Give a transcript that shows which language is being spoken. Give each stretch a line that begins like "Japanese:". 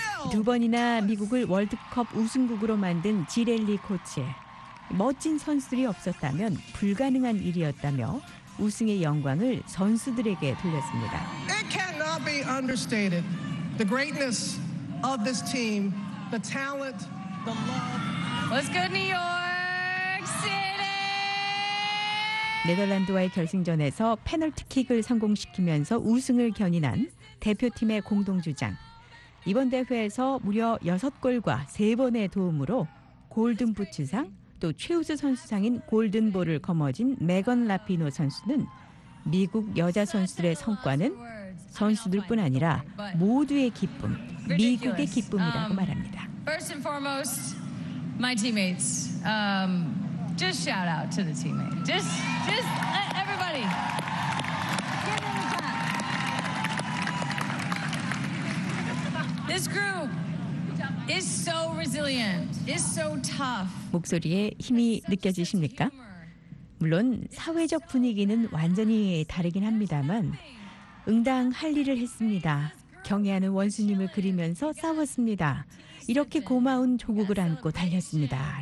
Korean: 두 번이나 미국을 월드컵 우승국으로 만든 지렐리 코치. 멋진 선수들이 없었다면 불가능한 일이었다며 우승의 영광을 선수들에게 돌렸습니다.
English: It cannot be understated. The greatness of this team, the talent, the love. What's good, New York City?
Korean: 네덜란드와의 결승전에서 페널티킥을 성공시키면서 우승을 견인한 대표팀의 공동주장. 이번 대회에서 무려 6골과 3번의 도움으로 골든부츠상 또 최우수 선수상인 골든볼을 거머쥔 메건 라피노 선수는 미국 여자 선수들의 성과는 선수들뿐 아니라 모두의 기쁨, 미국의 기쁨이라고 말합니다.
English: First and foremost, my teammates. Just shout out to the teammates. Just let everybody. Give them a clap. This group is so resilient. It's so tough.
Korean: 목소리에 힘이 느껴지십니까? 물론 사회적 분위기는 완전히 다르긴 합니다만 응당할 일을 했습니다. 경애하는 원수님을 그리면서 싸웠습니다. 이렇게 고마운 조국을 안고 달렸습니다.